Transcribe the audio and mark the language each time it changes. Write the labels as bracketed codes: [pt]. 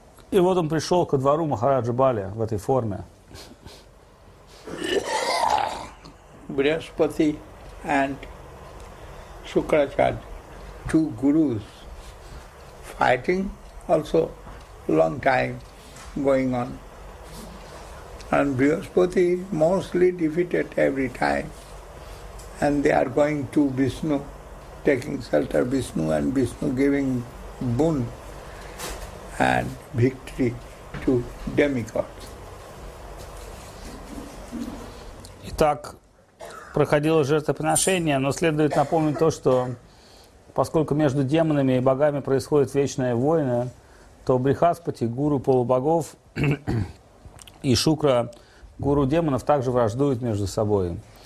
[ru] И вот он пришел ко двору Махараджа Бали в этой форме. [en] Брихаспати and Shukracharya, two gurus, fighting also long time going on. And Brihaspati mostly defeated every time. And they are going to Vishnu, taking shelter Vishnu, and Vishnu giving boon and victory to demigods. [ru] Итак, проходило жертвоприношение, но следует напомнить то, что поскольку между демонами и богами происходят вечные войны, то Брихаспати, гуру полубогов, и Шукра, гуру демонов, также враждуют между собой.